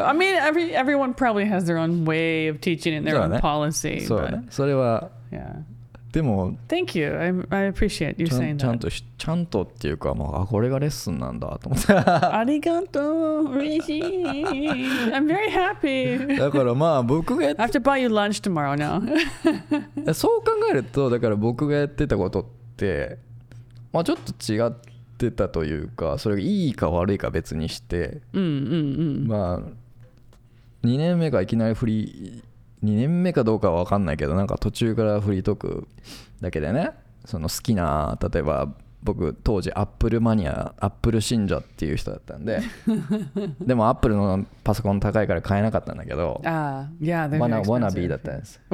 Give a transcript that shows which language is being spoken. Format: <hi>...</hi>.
<en>I mean everyone probably has their own way of teaching and their own policy.</en> <ja>そうね、それは、</ja> <en>yeah.</en> <ja>でも</ja> <en>Thank you. I appreciate you saying that.</en> <ja>ちゃんとっていうか、まあ、これがレッスンなんだと思って。ありがとう、嬉しい。</ja> <en>I'm very happy.</en> <ja>だからまあ僕がやって</ja> <en>I have to buy you lunch tomorrow now.</en> <ja>そう考えると、だから僕がやってたことって、まあ、ちょっと違ってたというか、それがいいか悪いか別にして、まあ2年目がいきなりフリー、2年目かどうかは分かんないけど、なんか途中からフリートークだけでね、その好きな、例えば僕当時アップルマニア、アップル信者っていう人だったんで、でもアップルのパソコン高いから買えなかったんだけど、ワナビーだったんです。</ja>